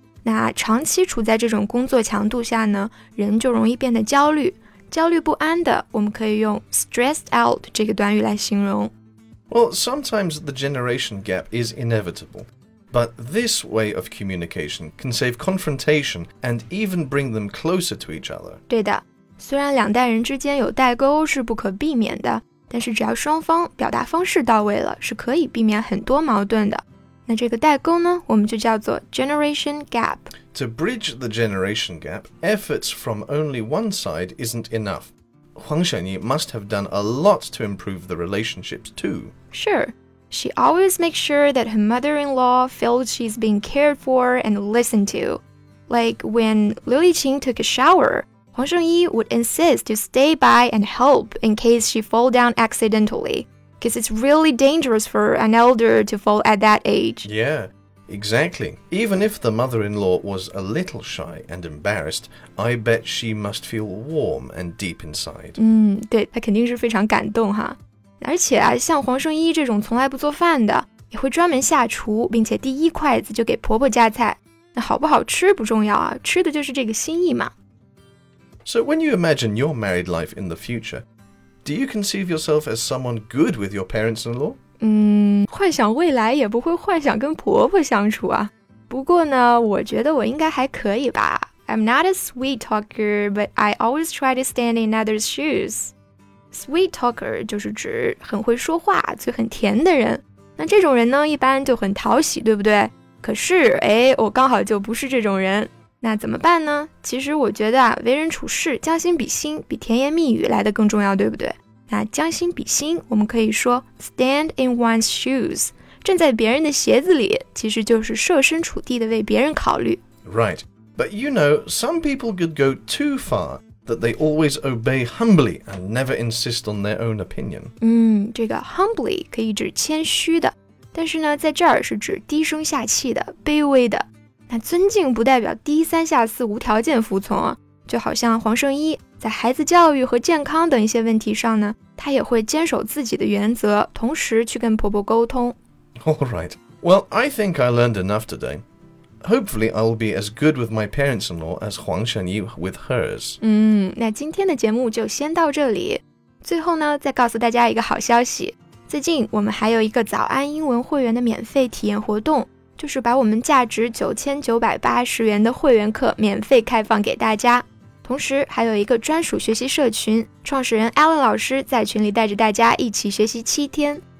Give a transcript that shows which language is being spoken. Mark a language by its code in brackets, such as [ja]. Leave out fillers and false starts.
[zh] 那长期处在这种工作强度下呢，人就容易变得焦虑。焦虑不安的，我们可以用 stressed out 这个短语来形容。 [en] Well, sometimes the generation gap is inevitable, but this way of communication can save confrontation and even bring them closer to each other. [zh] 对的，虽然两代人之间有代沟是不可避免的，但是只要双方表达方式到位了，是可以避免很多矛盾的。那这个代沟呢，我们就叫做 generation gap. [en] To bridge the generation gap, efforts from only one side isn't enough. Huang Xianyi must have done a lot to improve the relationships too. Sure, she always makes sure that her mother-in-law feels she's being cared for and listened to. Like when Liu Liqing took a shower, Huang Xianyi would insist to stay by and help in case she fall down accidentally. Because it's really dangerous for an elder to fall at that age. Yeah, exactly. Even if the mother-in-law was a little shy and embarrassed, I bet she must feel warm and deep inside. [zh] 对，她肯定是非常感动哈。而且啊，像黄圣依这种从来不做饭的，也会专门下厨，并且第一筷子就给婆婆夹菜。那好不好吃不重要啊，吃的就是这个心意嘛。 [en] So when you imagine your married life in the future,Do you conceive yourself as someone good with your parents-in-law? [zh] 幻想未来也不会幻想跟婆婆相处啊。不过呢，我觉得我应该还可以吧。 [en] I'm not a sweet talker, but I always try to stand in others' shoes. [zh] Sweet talker 就是指很会说话、嘴很甜的人。那这种人呢，一般就很讨喜，对不对？可是，我刚好就不是这种人。那怎么办呢？其实我觉得啊，为人处事将心比心比甜言蜜语来得更重要，对不对？那将心比心，我们可以说 stand in one's shoes， 站在别人的鞋子里，其实就是设身处地的为别人考虑。 [en] Right, but you know, some people could go too far that they always obey humbly and never insist on their own opinion. [zh] 这个 humbly 可以指谦虚的，但是呢，在这儿是指低声下气的、卑微的。那尊敬不代表低三下四无条件服从啊，就好像黄圣依在孩子教育和健康等一些问题上呢，她也会坚守自己的原则，同时去跟婆婆沟通。 [en] All right. Well, I think I learned enough today. Hopefully, I will be as good with my parents-in-law as Huang Xianyi with hers. [zh] 那今天的节目就先到这里。最后呢，再告诉大家一个好消息，最近我们还有一个早安英文会员的免费体验活动。就是把我们价值9980元的会员课免费开放给大家，同时还有一个专属学习社群，创始人 Alan 老师在群里带着大家一起学习7天。